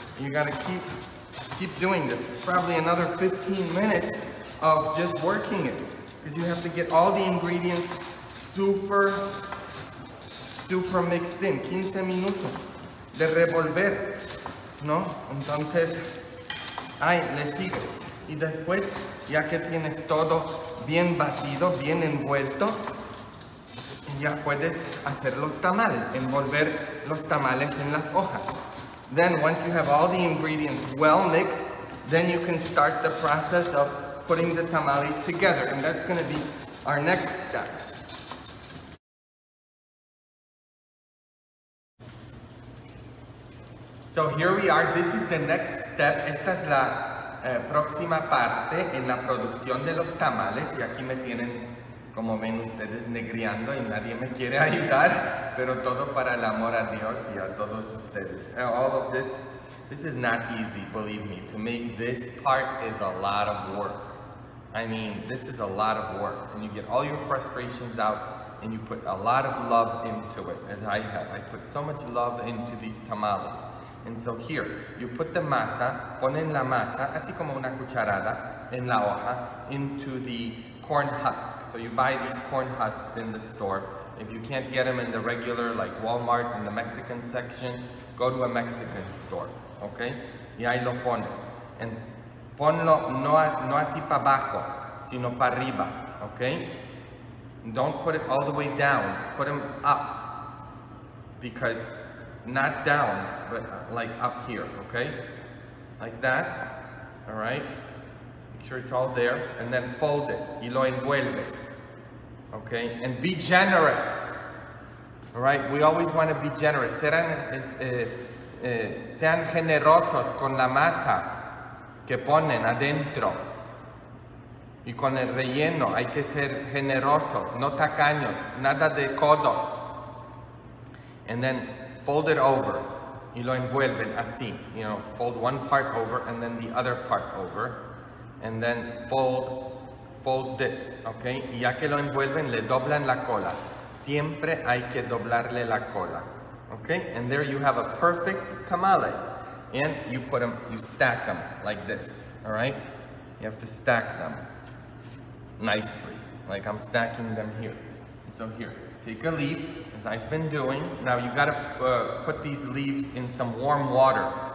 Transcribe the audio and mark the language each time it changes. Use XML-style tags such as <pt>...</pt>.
<en>You gotta keep doing this. Probably another 15 minutes of just working it, because you have to get all the ingredients super, super mixed in. 15 minutos de revolver</en> <es>¿no? Entonces, ahí le sigues. Y después, ya que tienes todo bien batido, bien envuelto, ya puedes hacer los tamales, envolver los tamales en las hojas.</es> <en>Then, once you have all the ingredients well mixed, then you can start the process of putting the tamales together. And that's going to be our next step. So here we are. This is the next step.</en> <es>Esta es la próxima parte en la producción de los tamales. Y aquí me tienen, como ven ustedes, negreando y nadie me quiere ayudar. Pero todo para el amor a Dios y a todos ustedes.</es> <en>All of this, this is not easy, believe me. To make this part is a lot of work. I mean, this is a lot of work. And you get all your frustrations out and you put a lot of love into it. As I have, I put so much love into these tamales. And so here, you put the masa, ponen la masa, así como una cucharada, en la hoja, into the corn husk. So you buy these corn husks in the store. If you can't get them in the regular, like Walmart, in the Mexican section, go to a Mexican store, okay? Y ahí lo pones.</en> <es>And ponlo no así para abajo, sino para arriba, okay?</es> <en>Don't put it all the way down. Put them up, because not down, but like up here, okay? Like that, all right? Make sure it's all there, and then fold it, y lo envuelves, okay? And be generous, all right? We always want to be generous.</en> <es>Sean generosos con la masa que ponen adentro. Y con el relleno, hay que ser generosos, no tacaños, nada de codos.</es> <en>And then fold it over, y lo envuelven así, you know, fold one part over and then the other part over, and then fold this, okay?</en> <es>Y ya que lo envuelven, le doblan la cola. Siempre hay que doblarle la cola, okay?</es> <en>And there you have a perfect tamale, and you put them, you stack them like this, all right? You have to stack them nicely, like I'm stacking them here. So here, take a leaf, as I've been doing. Now you gotta put these leaves in some warm water.</en>